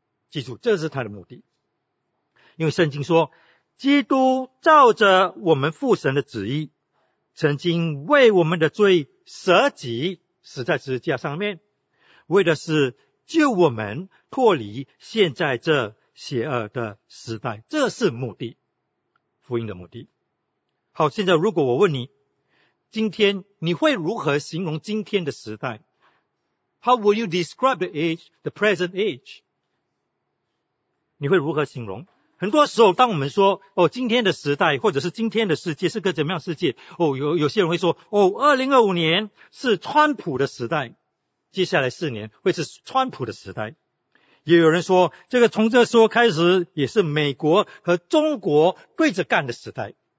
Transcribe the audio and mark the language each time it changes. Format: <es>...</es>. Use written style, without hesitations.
<zh>记住，这是他的目的。因为圣经说，基督照着我们父神的旨意，曾经为我们的罪舍己，死在十字架上面，为的是救我们脱离现在这邪恶的时代。这是目的，福音的目的。好，现在如果我问你，今天你会如何形容今天的时代？</zh> <en>How will you describe the age, the present age?</en> <zh>你会如何形容？很多时候当我们说，哦，今天的时代或者是今天的世界是个怎么样世界，哦，有些人会说，哦，2025年是川普的时代，接下来四年会是川普的时代。也有人说，这个从这时候开始也是美国和中国对着干的时代。</zh>